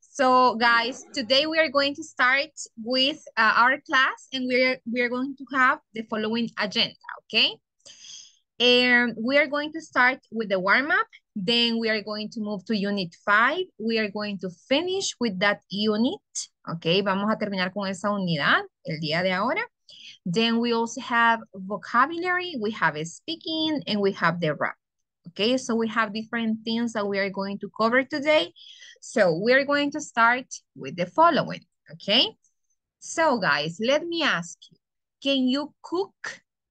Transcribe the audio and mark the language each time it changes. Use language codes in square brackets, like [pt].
[en] So guys, today we are going to start with our class and we are going to have the following agenda, okay? And we are going to start with the warm-up, then we are going to move to unit 5. We are going to finish with that unit, okay? [es] Vamos a terminar con esa unidad el día de ahora. [en] Then we also have vocabulary, we have speaking, and we have the wrap. Okay, so we have different things that we are going to cover today. So we are going to start with the following. Okay, so guys, let me ask you, can you cook?